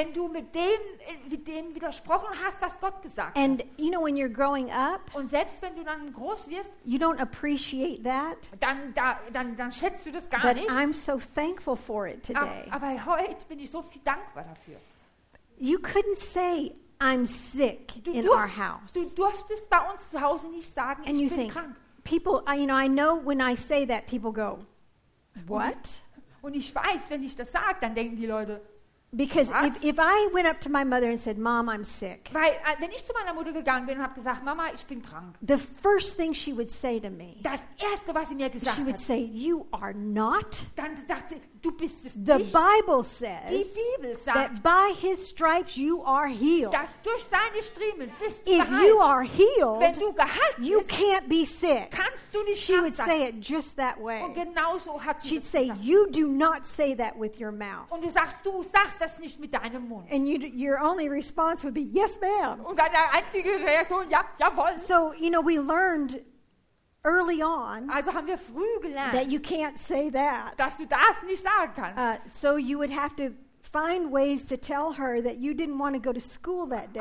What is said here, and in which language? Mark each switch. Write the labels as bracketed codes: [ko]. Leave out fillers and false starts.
[de] wenn du mit dem widersprochen hast, was Gott gesagt [en] and, [de] hat. [en] And you know when you're growing up, [de] und selbst wenn du dann groß wirst, [en] you don't appreciate that. [de] Dann schätzt du das gar [en] but [de] nicht. [en] But I'm so thankful for it today. [de] Aber heute bin ich so viel dankbar dafür. [en] You couldn't say I'm sick in our house. [de] Du durftest bei uns zu Hause nicht sagen, [en] and [de] ich bin [en] think, [de] krank. [en] People, you know, I know when I say that, people go, what? [de] Und ich weiß, wenn ich das sage, dann denken die Leute, [en] because [de] was? [en] If I went up to my mother and said, Mom, I'm sick. [de] Weil wenn ich zu meiner Mutter gegangen bin und habe gesagt, Mama, ich bin krank. [en] The first thing she would say to me. [de] Das erste, was sie mir gesagt hat. [en] She would say, you are not. [de] Dann sagt sie, du bist es nicht. [en] The Bible says. [de] Die Bibel sagt. [en] That by his stripes you are healed. [de] Dass durch seine Striemen bist du geheilt. [en] If you are healed. [de] Wenn du geheilt bist. [en] You can't be sick. [de] Kannst du nicht [en] she would [de] sagen. [en] Say it just that way. [de] Und genau so hat sie [en] she'd [de] das [en] say, [de] gesagt. [en] You do not say that with your mouth. [de] Und du sagst das nicht mit deinem Mund. [en] And your only response would be yes ma'am. [de] Und deine einzige Reaktion ja jawohl. [en] So you know we learned early on. [de] Also haben wir früh gelernt. [en] That you can't say that. [de] Dass du das nicht sagen kannst. [en] So you would have to find ways to tell her that you didn't want to go to school that day.